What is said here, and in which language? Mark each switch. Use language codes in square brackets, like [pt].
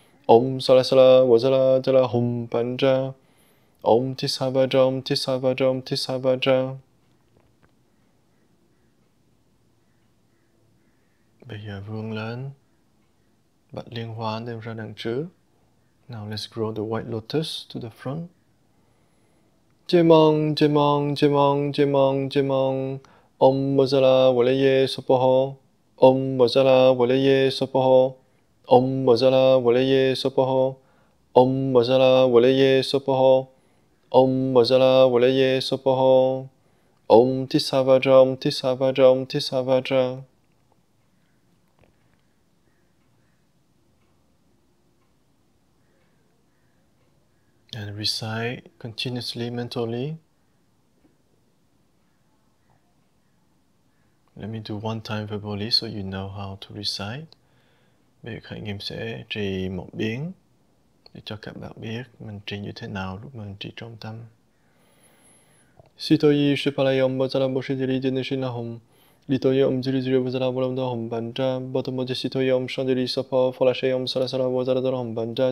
[sa] Om salasala vajra jala hum panja. Om tisavaja, om tisavaja, om tisavaja. [vi] Bây giờ vươn lên, bạch liên hoa đem ra đằng trước. [en] Now let's grow the white lotus to the front. Chê mong, chê mong, chê mong, chê mong, chê mong. [sa] Om vajala valaye sopoho. Om vajala valaye sopoho. Om vajala valaye sopoho. Om vajala valaye sopoho. Om vajala valaye sopoho. Om tisavaja, om tisavaja, om tisavaja. [en] And recite continuously mentally. Let me do one time verbally so you know how to recite. [vi] Bây giờ Khải Nghiêm sẽ trì một biến để cho các bạn biết mình trì như thế nào lúc mình trì trong tâm. [sa] Sitoyi shupalai om bazala boshidiri dineshina hum. Litoyi om ziriziri bazala bolamda hum banja. Botomoji sitoyi om shandiri sapa. Falashay om salasala bazala dara hum banja.